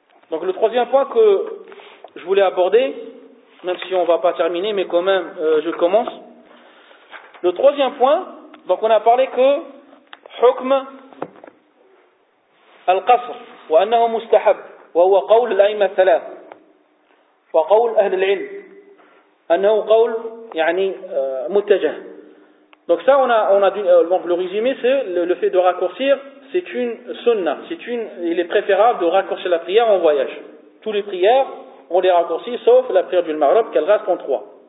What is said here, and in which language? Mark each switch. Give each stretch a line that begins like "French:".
French: Donc le troisième point que je voulais aborder, même si on ne va pas terminer, mais quand même je commence, Le troisième point, donc on a parlé que
Arabic: حكم القصر وأنه مستحب وهو قول الأئمة الثلاث وقول أهل العلم أنه قول يعني متجه.
French: Donc ça, le résumé, c'est le fait de raccourcir, c'est une sunna. Il est préférable de raccourcir la prière en voyage. Toutes les prières, on les raccourcit, sauf la prière du Maghreb, qu'elle reste en trois.